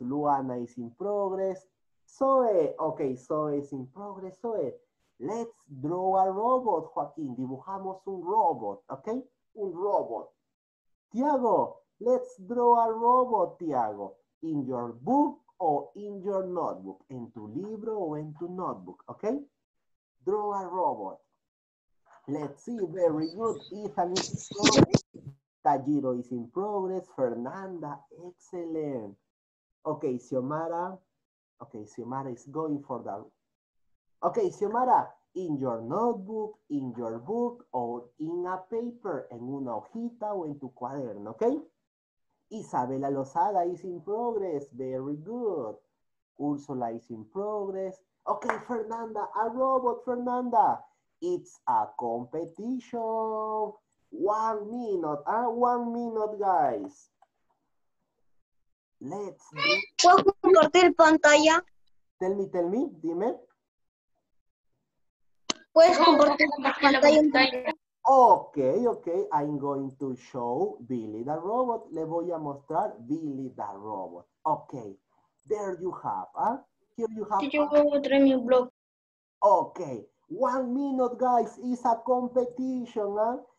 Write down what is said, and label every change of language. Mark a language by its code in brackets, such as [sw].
[en] Luana is in progress. Zoe, okay, Zoe is in progress. Zoe. Let's draw a robot, Joaquín. [es] Dibujamos un robot, ¿ok? Un robot. [en] Tiago, let's draw a robot, Tiago. In your book or in your notebook. [es] En tu libro o en tu notebook, ¿ok? [en] Draw a robot. Let's see, very good. Ethan is in progress. Tajiro is in progress. Fernanda, excellent. Ok, Xiomara. Ok, Xiomara is going for the... Okay, Xiomara, in your notebook, in your book, or in a paper, [es] en una hojita o en tu cuaderno, [en] okay? Isabela Lozada is in progress, very good. Úrsula is in progress. Okay, Fernanda, a robot, Fernanda. It's a competition. 1 minute, ah, 1 minute, guys. Let's do... [es] ¿Puedo compartir pantalla? [en] Tell me, [es] dime. ¿Puedes compartir la pantalla? [en] Ok, I'm going to show Billy the Robot. [es] Le voy a mostrar [en] Billy the Robot. Ok, there you have, ¿ah? Here you have. [es] Yo voy a traer mi blog. [en] Ok, 1 minute, guys, is a competition, ¿ah?